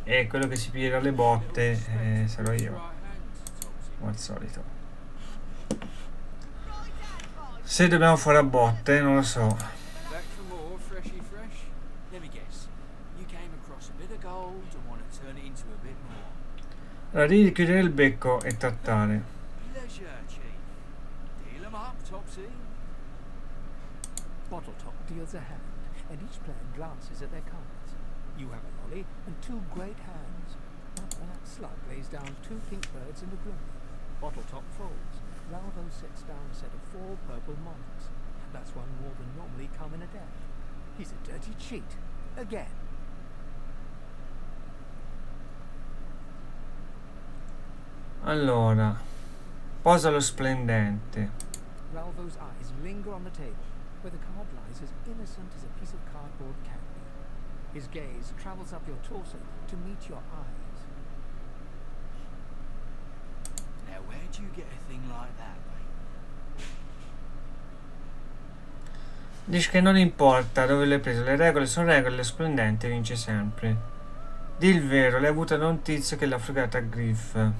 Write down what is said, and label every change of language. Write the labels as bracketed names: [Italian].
[Italian] E quello che si piega le botte sarò io. Come al solito. Se dobbiamo fare a botte, non lo so. [English] Back for more, freshy fresh. Let me guess. You came across a bit of gold and want to turn it into a bit more. [Italian] Allora devi chiudere il becco e trattare. [English] Leisure, chief. Deal 'em up, Topsy. Bottle top deals a hand, and each player glances at their cards. You have a lolly and two great hands. That slug lays down two pink birds and a grim. Bottle top folds. Lalvo sets down a set of four purple monarchs. That's one more than normally come in a deck. He's a dirty cheat. Again. [Italian] Allora. Posa lo splendente. [English] Lalvo's eyes linger on the table, where the card lies as innocent as a piece of cardboard can be. His gaze travels up your torso to meet your eyes. Where'd you get a thing like that, mate? [Italian] Dice che non importa dove l'hai preso, le regole sono regole, lo splendente vince sempre. Di il vero, l'hai avuta da un tizio che l'ha fregata a Griff.